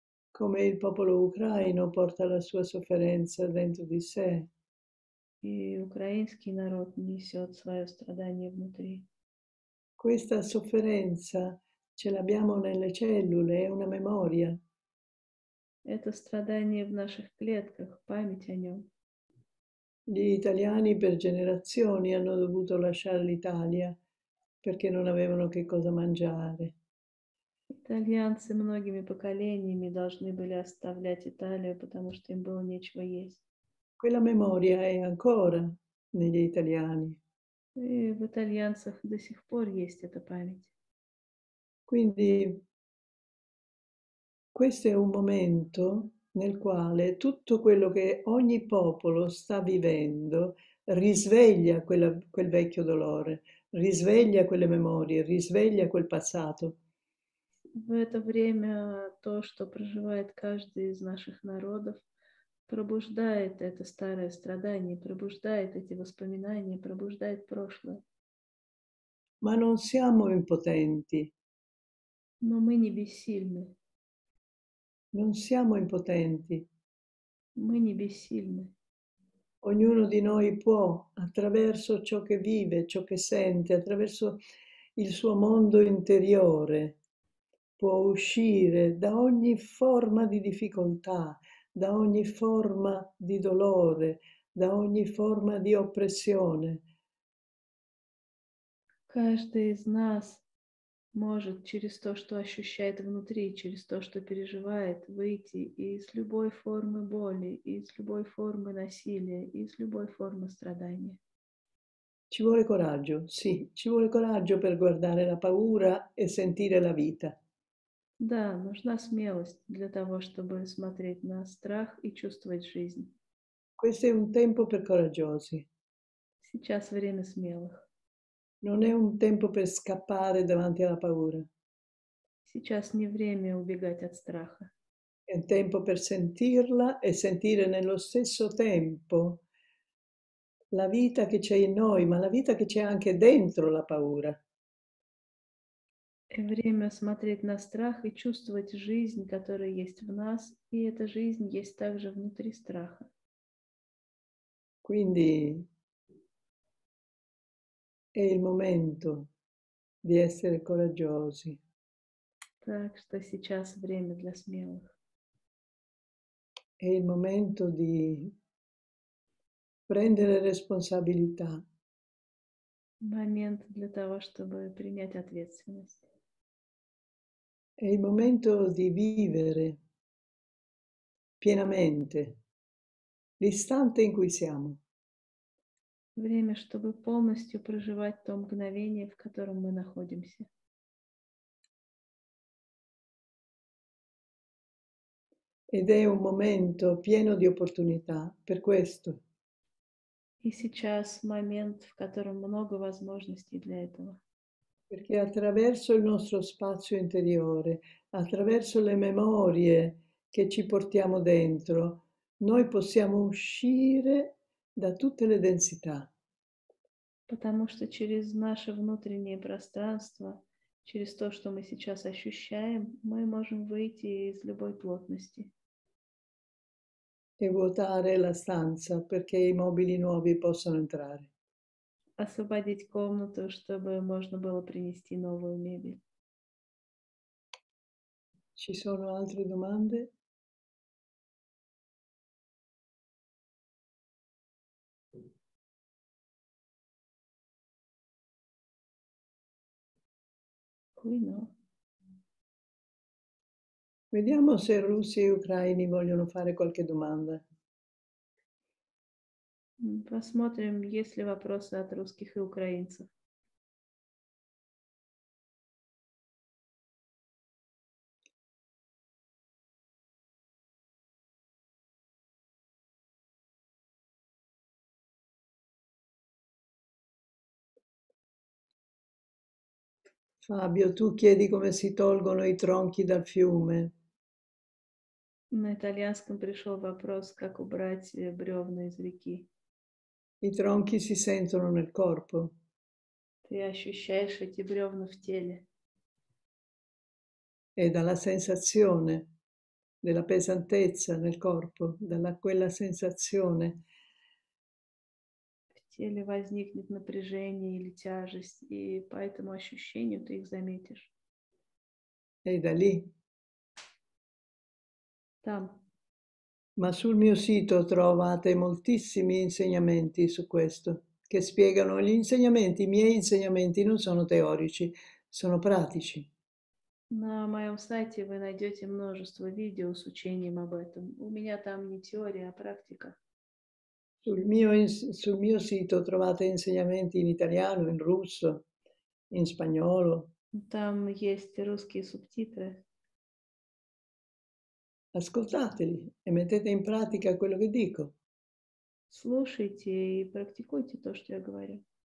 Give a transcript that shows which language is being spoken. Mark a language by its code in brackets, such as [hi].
[it] Come il popolo ucraino porta la sua sofferenza dentro di sé. [ru] И украинский народ несет свое страдание внутри. [it] Questa sofferenza ce l'abbiamo nelle cellule, è una memoria. [ru] Это страдание в наших клетках, память о нем. [it] Gli italiani per generazioni hanno dovuto lasciare l'Italia perché non avevano che cosa mangiare. [ru] Итальянцы многими поколениями должны были оставлять Италию, потому что им было нечего есть. [it] Quella memoria è ancora negli italiani. [ru] И в итальянцах до сих пор есть эта память. [it] Quindi questo è un momento nel quale tutto quello che ogni popolo sta vivendo risveglia quel vecchio dolore, risveglia quelle memorie, risveglia quel passato. [ru] В это время то, что проживает каждый из наших народов, пробуждает это старое страдание, пробуждает эти воспоминания, пробуждает прошлое. [it] Ma non siamo impotenti. [ru] Но мы не бессильны. [it] Non siamo impotenti. [ru] Мы не бессильны. [it] Ognuno di noi può, attraverso ciò che vive, ciò che sente, attraverso il suo mondo interiore, può uscire da ogni forma di difficoltà, da ogni forma di dolore, da ogni forma di oppressione. [ru] Каждый из нас может через то, что ощущает внутри, через то, что переживает, выйти из любой формы боли, из любой формы насилия, из любой формы страдания. [it] Ci vuole coraggio, sì, ci vuole coraggio per guardare la paura e sentire la vita. [ru] Да, нужна смелость для того, чтобы смотреть на страх и чувствовать жизнь. [it] Questo è un tempo per coraggiosi. [ru] Сейчас время смелых. [it] Non è un tempo per scappare davanti alla paura. [ru] Сейчас не время убегать от страха. [it] È un tempo per sentirla e sentire nello stesso tempo la vita che c'è in noi, ma la vita che c'è anche dentro la paura. È [ru] время смотреть на страх и чувствовать жизнь, которая есть в нас, и эта жизнь есть также внутри страха. [it] Quindi è il momento di essere coraggiosi. [ru] Так что сейчас время для смелых. [it] È il momento di prendere responsabilità. [ru] Момент для того, чтобы принять ответственность. [it] È il momento di vivere pienamente l'istante in cui siamo. [ru] Время, чтобы полностью проживать то мгновение, в котором мы находимся. [it] Ed è un momento pieno di opportunità, per questo. [ru] И сейчас момент, в котором много возможностей для этого. [it] Perché attraverso il nostro spazio interiore, attraverso le memorie che ci portiamo dentro, noi possiamo uscire da tutte le densità. [ru] Потому что через наше внутреннее пространство, через то, что мы сейчас ощущаем, мы можем выйти из любой плотности. [it] E vuotare la stanza perché i mobili nuovi possano entrare. [ru] Освободить комнату, чтобы можно было принести новую мебель. [it] Ci sono altre domande? Vediamo se russi e ucraini vogliono fare qualche domanda. [ru] Посмотрим, есть ли вопросы от русских и украинцев. [it] Fabio, tu chiedi come si tolgono i tronchi dal fiume. [ru] На итальянском пришел вопрос, как убрать бревна из реки. [it] I tronchi si sentono nel corpo. [ru] Ты ощущаешь эти бревна в теле. [it] È dalla sensazione della pesantezza nel corpo, da quella sensazione. [ru] В теле возникнет напряжение или тяжесть, и по этому ощущению ты их заметишь. [it] E da lì. [ru] Там. [it] Ma sul mio sito trovate moltissimi insegnamenti su questo, che spiegano gli insegnamenti, i miei insegnamenti non sono teorici, sono pratici. [ru] На моем сайте вы найдете множество видео с учением об этом. У меня там не теория, а практика. [it] Sul mio sito trovate insegnamenti in italiano, in russo, in spagnolo. [ru] Там есть русские субтитры. [it] Ascoltateli e mettete in pratica quello che dico. [ru] Слушайте и практикуйте то, что я говорю.